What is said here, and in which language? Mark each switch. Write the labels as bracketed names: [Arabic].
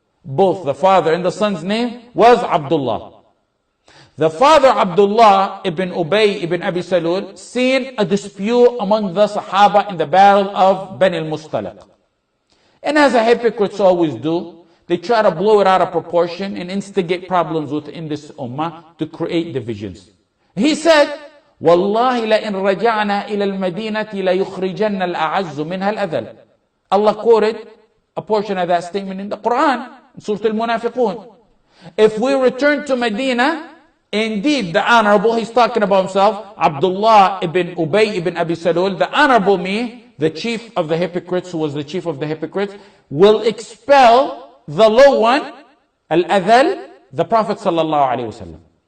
[English] Both the father and the son's name was Abdullah. The father Abdullah ibn Ubay ibn Abi Salul seen a dispute among the Sahaba in the battle of Bani al-Mustalaq. And as the hypocrites always do, they try to blow it out of proportion and instigate problems within this ummah to create divisions. [Arabic] He said, وَاللَّهِ لَإِن رَجَعْنَا إِلَى الْمَدِينَةِ لَيُخْرِجَنَّ الْأَعَزُّ مِنْهَا الْأَذَلِ. [English] Allah quoted a portion of that statement in the Quran, Surah Al-Munafiqun. If we return to Medina, indeed the honorable, he's talking about himself, Abdullah ibn Ubay ibn Abi Salul, the honorable me, the chief of the hypocrites, who was the chief of the hypocrites, will expel the low one, Al-Adhal, the Prophet sallallahu alayhi wa sallam.